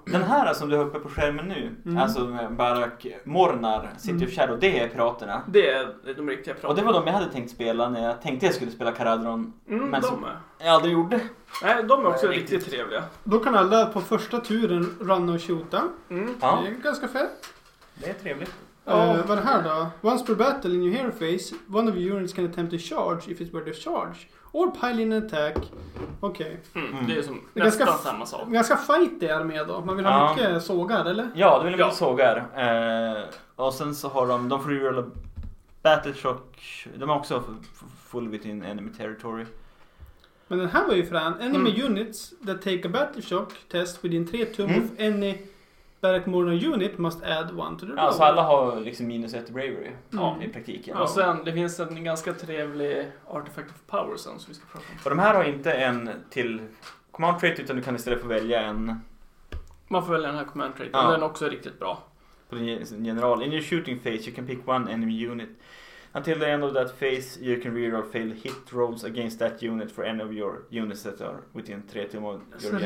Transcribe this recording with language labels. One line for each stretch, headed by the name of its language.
Swedish: Den här som du har uppe på skärmen nu, alltså Barak Mornar, City of Shadow, det är piraterna. Det är de riktiga piraterna. Och det var de jag hade tänkt spela när jag tänkte jag skulle spela Caradhron. Men de är. Jag aldrig gjorde. Nej, de är också riktigt trevliga. Då kan alla på första turen runna och shoota. Det är ganska fett. Det är trevligt. Vad är det här då?
English: Once per battle in your hero phase, one of your units can attempt a charge if it's worth a charge. Or pile in an attack.
Swedish: Okej. Det är som nästan samma sak. Ganska fighty armé då. Man vill ha mycket sågar, eller? Ja, det vill ha mycket sågar. Och sen så har de free roll battle shock. De har också full within enemy territory. Men den här var ju frän.
English: Enemy units that take a battle shock test within 3 tum of any Barak Mornar unit must add one to the roll.
Swedish: Ja, så alla har liksom minus ett bravery i praktiken. Och sen, det finns en ganska trevlig artifact of power sen som vi ska prata om. Och de här har inte en till command trait, utan du kan istället få välja en... Man får välja den här command trait, men den också är riktigt bra. På din general.
English: In your shooting phase, you can pick one enemy unit. Until the end of that phase, you can reroll failed hit rolls against that unit for any of your units that are within 3 tum of your